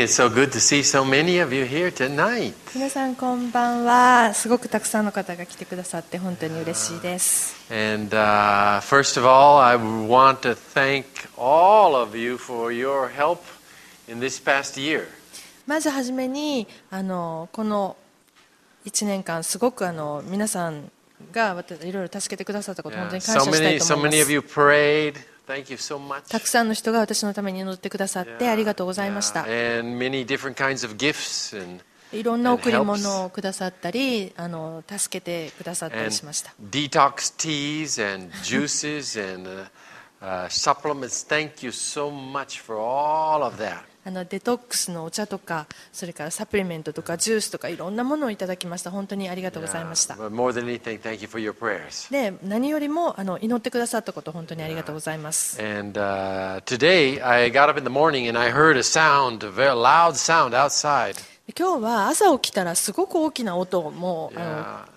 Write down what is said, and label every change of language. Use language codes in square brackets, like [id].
[en] It's so good to see so many of you here tonight. [ja] 皆さんこんばんは。すごくたくさんの方が来てくださって本当に嬉しいです。 [en] And first of all, I want to thank all of you for your help in this past year. [ja] まずはじめにこの1年間すごく皆さんがいろいろ助けてくださったこと本当に感謝したいと思います。 [en] So many of you prayed. Thank you so much. [ja] たくさんの人が私のために祈ってくださってありがとうございました。 [en] Yeah, yeah. And many different kinds of gifts and [ja] いろんな贈り物をくださったり、助けてくださったりしました。 [en] And detox teas and juices and supplements. Thank you so much for all of that. [ja] デトックスのお茶とか、それからサプリメントとかジュースとかいろんなものをいただきました。本当にありがとうございました。 [en] Yeah, but more than anything, thank you for your prayers. [ja] で、何よりも祈ってくださったこと本当にありがとうございます。 [en] Yeah. And today I got up in the morning and I heard a sound, a very loud sound outside. [ja] 今日は朝起きたらすごく大きな音をもう、yeah.